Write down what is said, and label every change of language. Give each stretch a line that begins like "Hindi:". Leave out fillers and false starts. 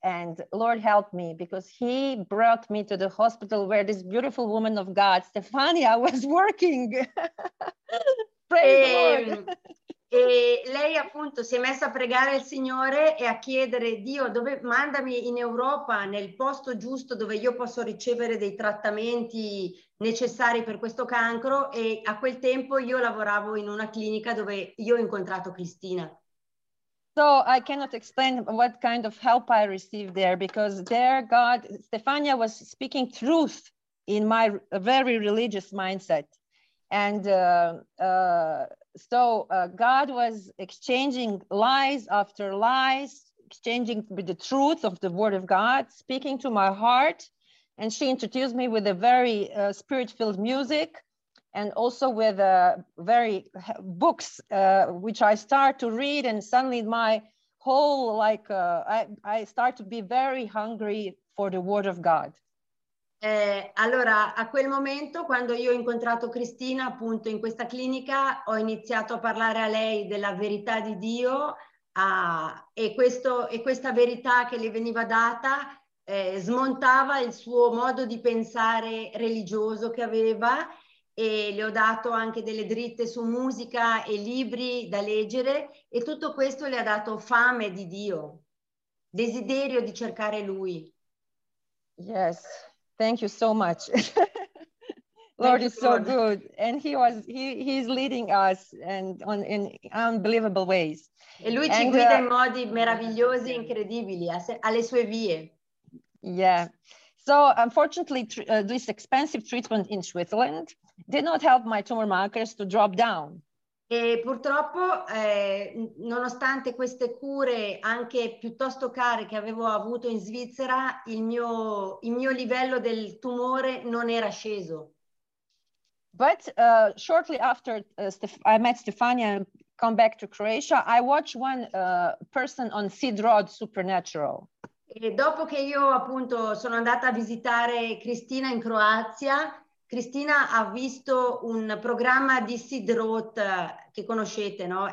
English: And Lord, help me, because he brought me to the hospital where this beautiful woman of God, Stefania, was working. Praise the Lord.
Italian: E lei appunto si è messa a pregare il Signore e a chiedere Dio dove mandami in Europa nel posto giusto dove io posso ricevere dei trattamenti necessari per questo cancro e a quel tempo io lavoravo in una clinica dove io ho incontrato Cristina.
English: So I cannot explain what kind of help I received there because there God, Stefania was speaking truth in my very religious mindset. And so God was exchanging lies after lies, exchanging with the truth of the word of God, speaking to my heart. And she introduced me with a very spirit-filled music and also with books, which I start to read. And suddenly my whole, I start to be very hungry for the word of God.
Italian: Allora, a quel momento, quando io ho incontrato Cristina, appunto, in questa clinica, ho iniziato a parlare a lei della verità di Dio e questa verità che le veniva data smontava il suo modo di pensare religioso che aveva e le ho dato anche delle dritte su musica e libri da leggere e tutto questo le ha dato fame di Dio, desiderio di cercare Lui.
English: Yes. Thank you so much. Lord is so good. And he's leading us and in unbelievable ways.
Italian: E lui ci guida in modi meravigliosi, incredibili, alle sue vie.
English: Yeah. So unfortunately, this expensive treatment in Switzerland did not help my tumor markers to drop down.
Italian: E purtroppo, nonostante queste cure anche piuttosto care che avevo avuto in Svizzera, il mio livello del tumore non era sceso.
English: But shortly after I met Stefania and come back to Croatia, I watched one person on Sid Rod Supernatural.
Italian: E dopo che io appunto sono andata a visitare Cristina in Croazia, Cristina ha visto un programma di Sid Roth che conoscete, no?